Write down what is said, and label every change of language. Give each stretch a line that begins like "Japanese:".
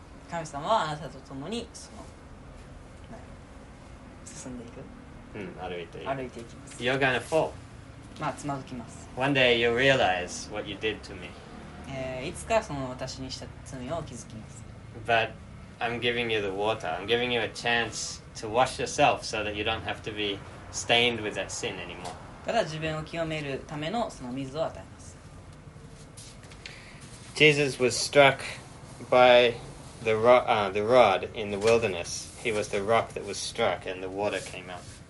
Japanese: 神様はあなたと共にその進んでいく、歩いていく、歩いていきます。
English: You're gonna fall、
Japanese: まあ、つまずきます。
English: One day you realize what you did to me、
Japanese: いつかその私にした罪を気づきます。
English: But I'm giving you the water. I'm giving you a chance to wash yourself so that you don't have to be stained with that sin anymore.
Japanese: ただ自分を清めるためのその水を与えます。
English: Jesus was struck by the rod in the wilderness. He was the rock that was struck and the water came out.